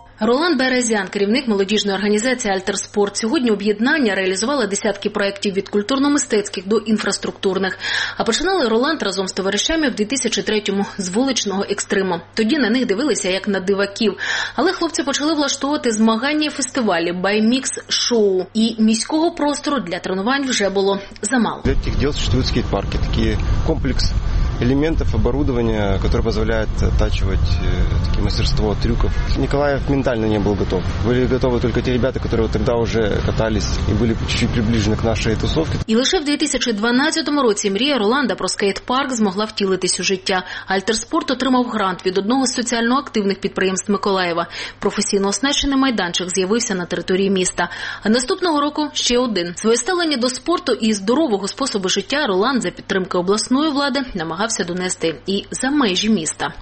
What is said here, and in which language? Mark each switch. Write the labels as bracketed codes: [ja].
[uk] Ролан Березян, керівник молодіжної організації «Альтерспорт». Сьогодні об'єднання реалізувало десятки проєктів від культурно-мистецьких до інфраструктурних. А починали Ролан разом з товаришами в 2003-му з вуличного екстриму. Тоді на них дивилися як на диваків. Але хлопці почали влаштовувати змагання і фестивалі, баймікс-шоу. І міського простору для тренувань вже було замало. Для тих діл [ru] существують скейт-парки, такі комплекс елементов, оборудования, которое позволяет оттачивать такие мастерство трюков. Николаев ментально не был готов. Были готовы только те ребята, которые вот тогда уже катались и были чуть-чуть приближены к нашей тусовке. [uk] И лише в 2012 році мрія Роланда про скейт-парк змогла втілитись у життя. Альтерспорт отримав грант від одного з соціально активних підприємств Миколаєва. Професійно оснащений майданчик з'явився на території міста. А наступного року ще один. Своє ставлення до спорту і здорового способу життя Роланд за підтримки обласної влади намагався донести і за межі міста.